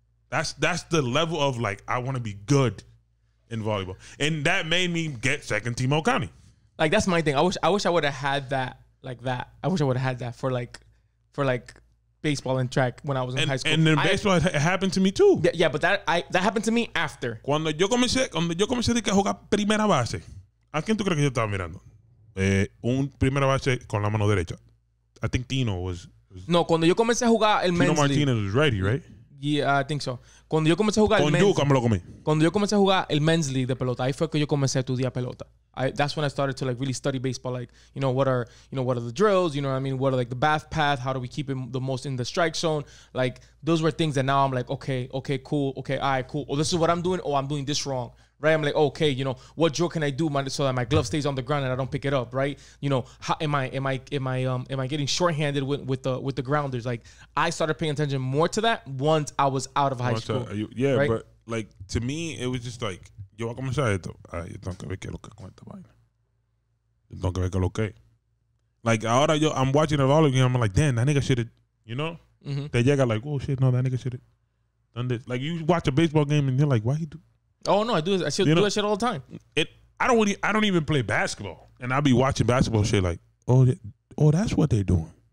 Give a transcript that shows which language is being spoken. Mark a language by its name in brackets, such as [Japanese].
[English] That's the level of, like, I want to be good in volleyball. And that made me get second team Okami. Like, that's my thing. I wish I would have had that, like, that. I wish I would have had that for baseball and track when I was in high school. And then baseball, it happened to me too. Yeah, but that happened to me after. [Spanish] Cuando yo comencé a jugar primera base, ¿a quién tú crees que yo estaba mirando? Un primera base con la mano derecha. [English] I think Tino was... [Spanish] No, cuando yo comencé a jugar el [English] Tino men's league... Tino Martinez was righty, right? Yeah, I think so. [Spanish] Cuando yo comencé a jugar con el Duke, men's league... Cuando yo comencé a jugar el men's league de pelota, ahí fue que yo comencé a estudiar pelota. [English] That's when I started to, like, really study baseball. Like, you know, what are the drills? You know what I mean? What are, like, the bath path? How do we keep it the most in the strike zone? Like, those were things that now I'm like, okay, cool. Okay, all right, cool. Oh, this is what I'm doing. Oh, I'm doing this wrong. Right? I'm like, okay, you know, what drill can I do so that my glove stays on the ground and I don't pick it up, right? You know, how am I getting shorthanded with the grounders? Like, I started paying attention more to that once I was out of high school. Right? But, like, to me, it was just like, [Spanish] yo voy a comenzar esto. Yo tengo que ver qué es lo que con esta vaina. Yo tengo que ver qué es lo que. [English] Like, ahora yo, I'm watching it all again. I'm like, damn, that nigga should have, you know? Mm-hmm. They llega like, oh, shit, no, that nigga should have done this. Like, you watch a baseball game and you're like, why he do? Oh no, I do this. I still do that shit all the time. I don't even play basketball. And I'll be watching basketball shit like, that's what they're doing.